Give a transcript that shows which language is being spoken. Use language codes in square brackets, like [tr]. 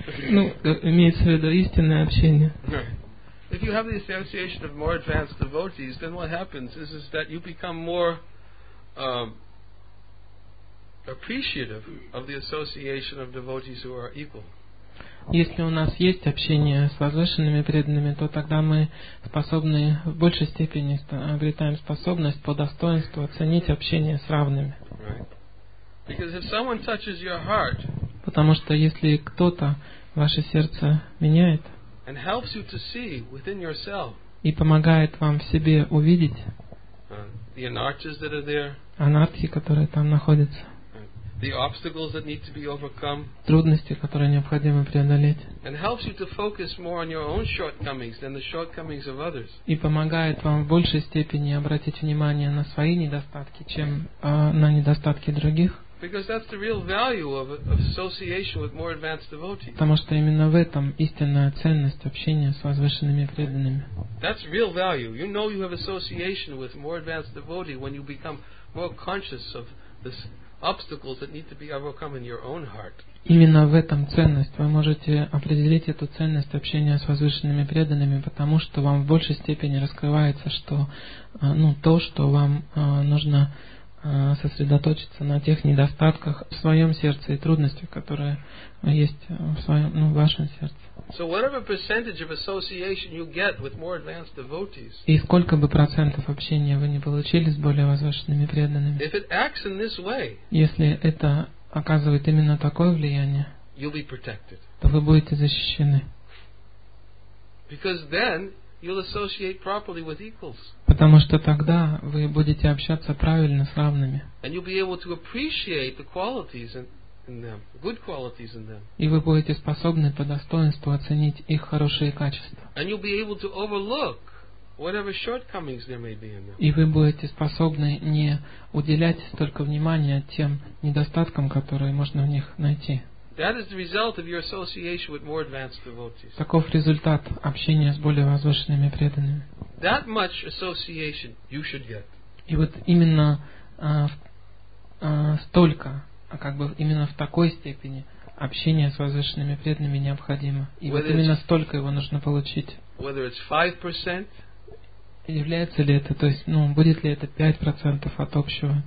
[ru] Ну, имеется в виду истинное общение. [en] If you have the association of more advanced devotees, then what happens is that you become more appreciative of the association of devotees who are equal. [ru] Если у нас есть общение с возвышенными преданными, то тогда мы способны в большей степени обретаем способность по достоинству оценить общение с равными. [en] Right. Because if someone touches your heart, [ru] потому что если кто-то ваше сердце меняет [en] and helps you to see within yourself, [ru] и помогает вам в себе увидеть [en] the anarchies that are there, [ru] анархии, которые там находятся, [en] the obstacles that need to be overcome, [ru] трудности, которые необходимо преодолеть, [en] and helps you to focus more on your own shortcomings than the shortcomings of others, [ru] и помогает вам в большей степени обратить внимание на свои недостатки, чем на недостатки других, [en] because that's the real value of association with more advanced devotees, [ru] потому что именно в этом истинная ценность общения с возвышенными преданными. [en] That's real value. You know you have association with more advanced devotees when you become more conscious of this obstacles that need to be overcome in your own heart. [ru] Именно в этом ценность. Вы можете определить эту ценность общения с возвышенными преданными, потому что вам в большей степени раскрывается, что, ну, то, что вам нужно сосредоточиться на тех недостатках в своем сердце и трудностях, которые есть в своем, ну, в вашем сердце. [en] So whatever percentage of association you get with more advanced devotees, [ru] и сколько бы процентов общения вы не получили с более возвышенными преданными, [en] if it acts in this way, [ru] если это оказывает именно такое влияние, [en] you'll be protected, [ru] то вы будете защищены. [en] Because then you'll associate properly with equals. [ru] Потому что тогда вы будете общаться правильно с равными. [en] And you'll be able to appreciate the qualities and in them, good qualities in them. [ru] И вы будете способны по достоинству оценить их хорошие качества. [en] And you'll be able to overlook whatever shortcomings there may be in them. [ru] И вы будете способны не уделять столько внимания тем недостаткам, которые можно в них найти. [en] That is the result of your association with more advanced devotees. [ru] Таков результат общения с более возвышенными преданными. [en] That much association you should get. [ru] И вот именно столько, а как бы именно в такой степени общение с возвышенными преданными необходимо. И вот именно столько его нужно получить. Является ли это, то есть, ну, будет ли это 5% от общего?